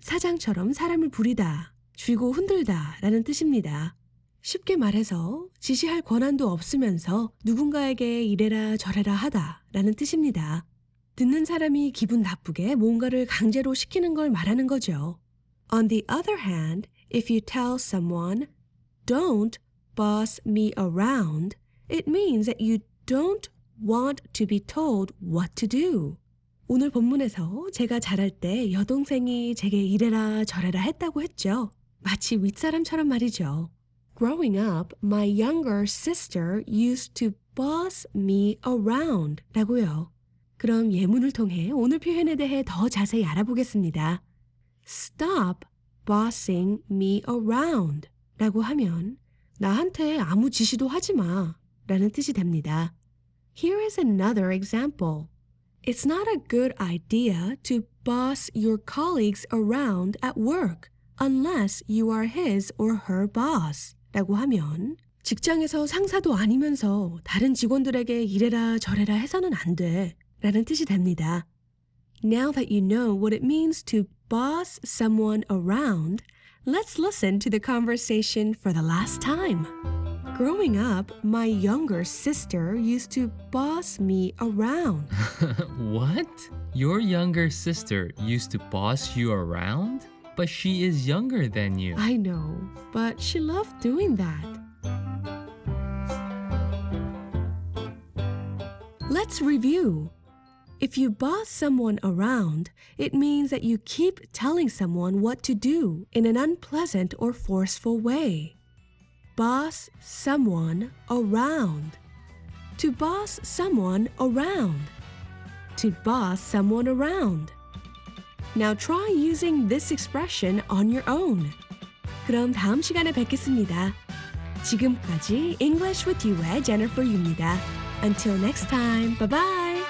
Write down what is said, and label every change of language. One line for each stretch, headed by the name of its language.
Korean: 사장처럼 사람을 부리다, 쥐고 흔들다 라는 뜻입니다. 쉽게 말해서 지시할 권한도 없으면서 누군가에게 이래라 저래라 하다 라는 뜻입니다. 듣는 사람이 기분 나쁘게 뭔가를 강제로 시키는 걸 말하는 거죠.
English: On the other hand, if you tell someone, don't boss me around, it means that you don't want to be told what to do.
Korean: 오늘 본문에서 제가 자랄 때 여동생이 제게 이래라 저래라 했다고 했죠. 마치 윗사람처럼 말이죠.
English: Growing up, my younger sister used to boss me around
Korean: 라고요. 그럼 예문을 통해 오늘 표현에 대해 더 자세히 알아보겠습니다.
English: Stop bossing me around
Korean: 라고 하면 나한테 아무 지시도 하지 마 라는 뜻이 됩니다.
English: Here is another example. It's not a good idea to boss your colleagues around at work unless you are his or her boss.
Korean: 라고 하면 직장에서 상사도 아니면서 다른 직원들에게 이래라 저래라 해서는 안 돼 라는 뜻이 됩니다.
English: Now that you know what it means to boss someone around, let's listen to the conversation for the last time. Growing up, my younger sister used to boss me around. What? Your younger sister used to boss you around? But she is younger than you. I know, but she loved doing that. Let's review. If you boss someone around, it means that you keep telling someone what to do in an unpleasant or forceful way. Boss someone around. To boss someone around. To boss someone around. Now try using this expression on your own.
Korean: 그럼 다음 시간에 뵙겠습니다. 지금까지 English with You의 Jennifer Yu입니다.
English: Until next time, bye-bye!